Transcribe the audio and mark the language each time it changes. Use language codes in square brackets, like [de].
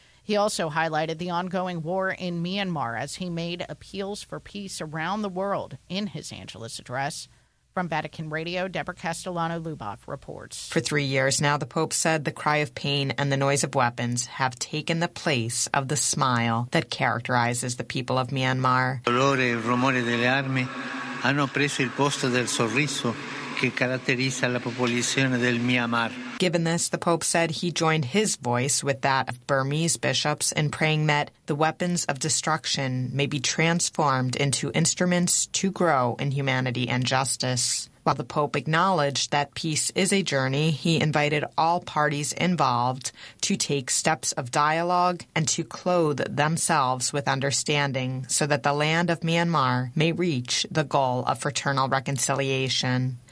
[en] He also highlighted the ongoing war in Myanmar as he made appeals for peace around the world in his Angelus address. From Vatican Radio, Deborah Castellano-Luboff reports. For 3 years now, the Pope said the cry of pain and the noise of weapons have taken the place of the smile that characterizes the people of Myanmar. [it] Dolore e il rumore delle armi hanno preso il posto del sorriso che caratterizza la popolazione del Myanmar. [en] Given this, the Pope said he joined his voice with that of Burmese bishops in praying that the weapons of destruction may be transformed into instruments to grow in humanity and justice. While the Pope acknowledged that peace is a journey, he invited all parties involved to take steps of dialogue and to clothe themselves with understanding so that the land of Myanmar may reach the goal of fraternal reconciliation.